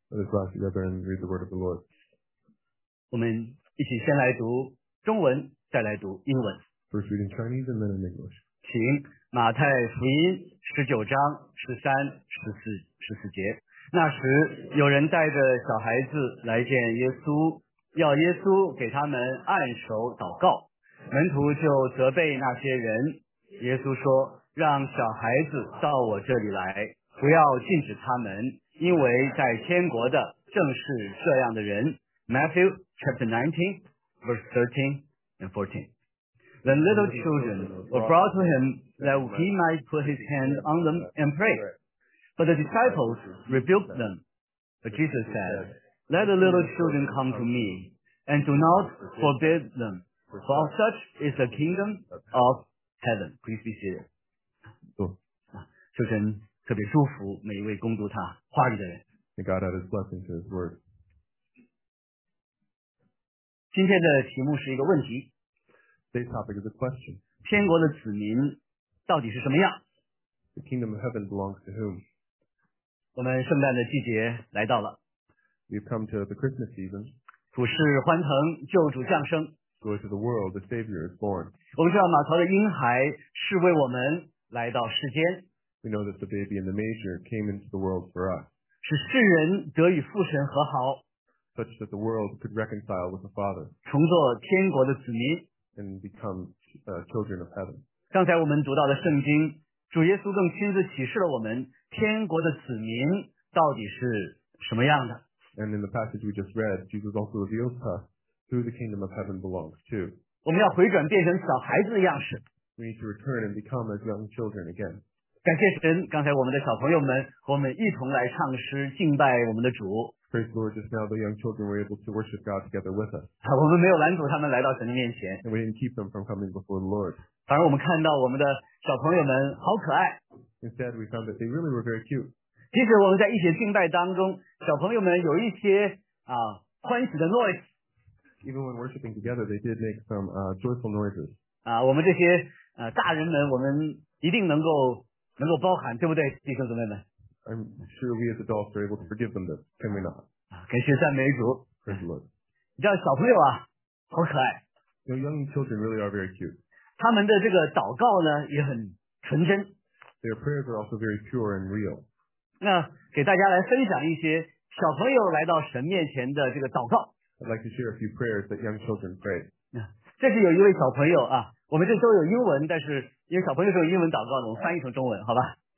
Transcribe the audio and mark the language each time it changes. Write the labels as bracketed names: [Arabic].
[English] Let's ask the brethren read the word of the Lord. [Chinese] 我们一起先来读中文，再来读英文。 [English] First reading Chinese and then in English. [Chinese] 请马太福音19:13-14节。那时有人带着小孩子来见耶稣，要耶稣给他们按手祷告，门徒就责备那些人。耶稣说，让小孩子到我这里来，不要禁止他们，因为在天国的正是这样的人。 [English] Matthew chapter 19 verse 13 and 14. Then little children were brought to him that he might put his hand on them and pray. But the disciples rebuked them. But Jesus said, let the little children come to me, and do not forbid them, for such is the kingdom of heaven. Please be seated. [Chinese] 特别祝福每一位攻读他话语的人。 [English] And God had his blessing to his word. [Chinese] 今天的题目是一个问题。 [English] This topic is a question. [Chinese] 天国的子民到底是什么样？ [English] The kingdom of heaven belongs to whom? [Chinese] 我们圣诞的季节来到了。 [English] We've come to the Christmas season. [Chinese] 普世欢腾，救主降生。 [English] Joy to the world, the Savior is born. [Chinese] 我们知道马槽的婴孩是为我们来到世间。 [English] We know that the baby in the manger came into the world for us. [Chinese] 使世人得与父神和好。 [English] Such that the world could reconcile with the Father. [Chinese] 重做天国的子民。 [English] And become children of heaven. [Chinese] 刚才我们读到的圣经，主耶稣更亲自启示了我们，天国的子民到底是什么样的。 [English] And in the passage we just read, Jesus also reveals to us who the kingdom of heaven belongs to. [Chinese] 我们要回转变成小孩子的样式。 [English] We need to return and become as young children again. [Chinese] 感谢神，刚才我们的小朋友们和我们一同来唱诗敬拜我们的主。 [English] Praise Lord, just now the young children were able to worship God together with us. [Chinese] 我们没有拦阻他们来到神的面前。 [English] And we didn't keep them from coming before the Lord. [Chinese] 反而我们看到我们的小朋友们好可爱。 [English] Instead, we found that they really were very cute. [Chinese] 即使我们在一些敬拜当中，小朋友们有一些欢喜的 noise. [English] Even when worshiping together, they did make some joyful noises. [Chinese] 我们这些大人们，我们一定能够包含，对不对，弟兄姊妹们 [English] ？I'm sure we as adults are able to forgive them, this, can we not? [Chinese] 感谢赞美主。 [English] Praise Lord. [Chinese] 你知道小朋友啊，好可爱。 [English] Your young children really are very cute. [Chinese] 他们的这个祷告呢，也很纯真。 [English] Their prayers are also very pure and real. [Chinese] 那给大家来分享一些小朋友来到神面前的这个祷告。 [English] I'd like to share a few prayers that young children pray. [Chinese] 这是有一位小朋友啊，我们这都有英文，但是。因为小朋友是用英文祷告的，我们翻译成中文，好吧